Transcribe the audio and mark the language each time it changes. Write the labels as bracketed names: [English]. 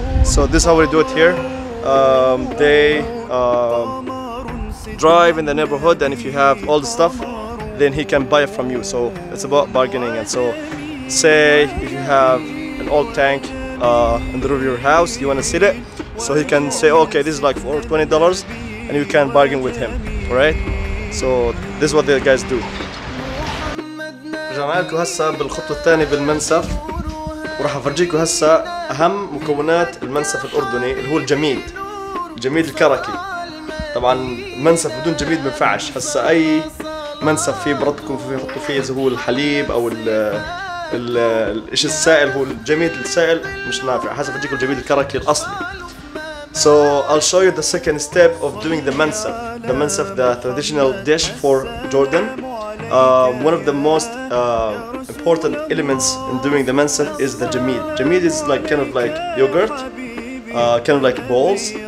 [English] So this is how we do it here. They drive in the neighborhood, and if you have all the stuff, then he can buy it from you. So it's about bargaining. And so say if you have an old tank in the roof of your house, you want to sell it. So he can say, okay, this is like $420, and you can bargain with him, right? So this is what the guys do. [Arabic] جمع لكم هسه بالخطوة الثانية بالمنسف، وراح أفرجيكم هسه أهم مكونات المنسف الأردني اللي هو الجميد، الجميد الكركي. طبعا المنسف بدون جميد ما ينفعش. هسه أي منسف فيه بردكم فيه حطوا فيه إذا هو الحليب أو ال الإشي السائل، هو الجميد السائل مش نافع. هسه أفرجيكم الجميد الكركي الأصلي. [English] So I'll show you the second step of doing the mansaf. The mansaf, the traditional dish for Jordan. One of the most important elements in doing the mansaf is the jameed. Jameed is like kind of like yogurt, kind of like balls.